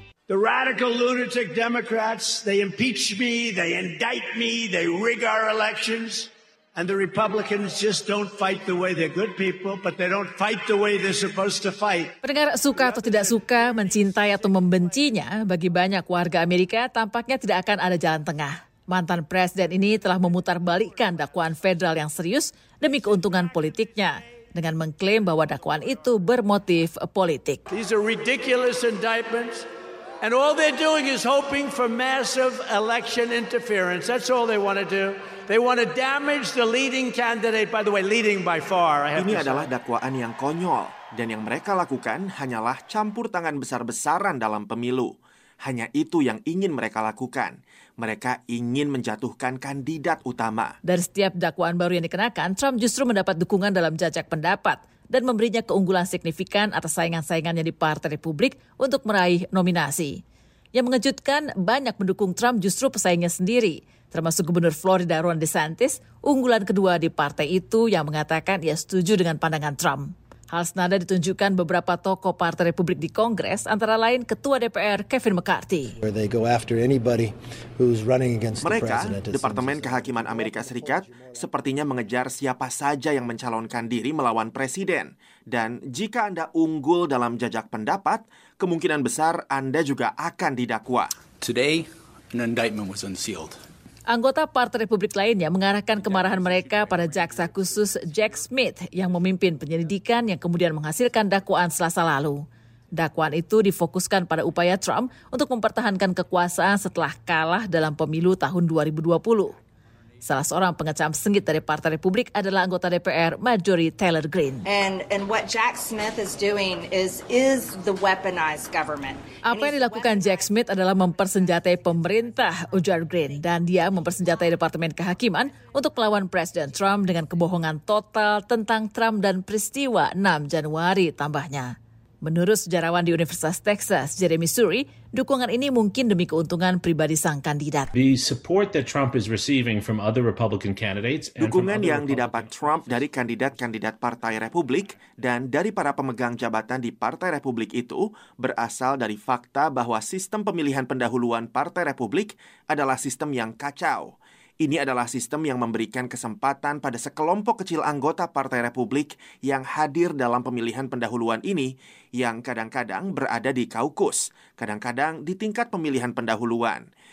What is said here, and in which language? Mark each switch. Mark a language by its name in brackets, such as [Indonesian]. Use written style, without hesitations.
[English] The radical lunatic Democrats, they impeach me, they indict me, they rig our elections, and the Republicans just don't fight the way they're good people, but they don't fight the way they're supposed to fight. [Indonesian] Pendengar, suka atau tidak suka, mencintai atau membencinya, bagi banyak warga Amerika tampaknya tidak akan ada jalan tengah. Mantan presiden ini telah memutarbalikkan dakwaan federal yang serius demi keuntungan politiknya dengan mengklaim bahwa dakwaan itu bermotif politik. [English] These are ridiculous indictments. And all they're doing is hoping for massive election interference. That's all they want to do. They want to damage the leading candidate, by the way, leading by far. [Indonesian] Ini adalah dakwaan yang konyol dan yang mereka lakukan hanyalah campur tangan besar-besaran dalam pemilu. Hanya itu yang ingin mereka lakukan. Mereka ingin menjatuhkan kandidat utama. Dari setiap dakwaan baru yang dikenakan, Trump justru mendapat dukungan dalam jajak pendapat dan memberinya keunggulan signifikan atas saingan-saingannya di Partai Republik untuk meraih nominasi. Yang mengejutkan, banyak pendukung Trump justru pesaingnya sendiri, termasuk Gubernur Florida Ron DeSantis, unggulan kedua di partai itu yang mengatakan ia setuju dengan pandangan Trump. Hal senada ditunjukkan beberapa tokoh Partai Republik di Kongres, antara lain Ketua DPR Kevin McCarthy. Mereka, Departemen Kehakiman Amerika Serikat, sepertinya mengejar siapa saja yang mencalonkan diri melawan Presiden. Dan jika Anda unggul dalam jajak pendapat, kemungkinan besar Anda juga akan didakwa. [English] Today, an indictment was unsealed. [Indonesian] Anggota Partai Republik lainnya mengarahkan kemarahan mereka pada Jaksa Khusus Jack Smith yang memimpin penyelidikan yang kemudian menghasilkan dakwaan Selasa lalu. Dakwaan itu difokuskan pada upaya Trump untuk mempertahankan kekuasaan setelah kalah dalam pemilu tahun 2020. Salah seorang pengecam sengit dari Partai Republik adalah anggota DPR Marjorie Taylor Greene. [English] And what Jack Smith is doing is the weaponized government. [Indonesian] Apa yang dilakukan Jack Smith adalah mempersenjatai pemerintah, ujar Greene, dan dia mempersenjatai Departemen Kehakiman untuk melawan Presiden Trump dengan kebohongan total tentang Trump dan peristiwa 6 Januari, tambahnya. Menurut sejarawan di Universitas Texas, Jeremy Suri, dukungan ini mungkin demi keuntungan pribadi sang kandidat. [English] The support that Trump is receiving from other Republican candidates and [Indonesian] dukungan yang didapat Trump dari kandidat-kandidat Partai Republik dan dari para pemegang jabatan di Partai Republik itu berasal dari fakta bahwa sistem pemilihan pendahuluan Partai Republik adalah sistem yang kacau. Ini adalah sistem yang memberikan kesempatan pada sekelompok kecil anggota Partai Republik yang hadir dalam pemilihan pendahuluan ini yang kadang-kadang berada di kaukus, kadang-kadang di tingkat pemilihan pendahuluan.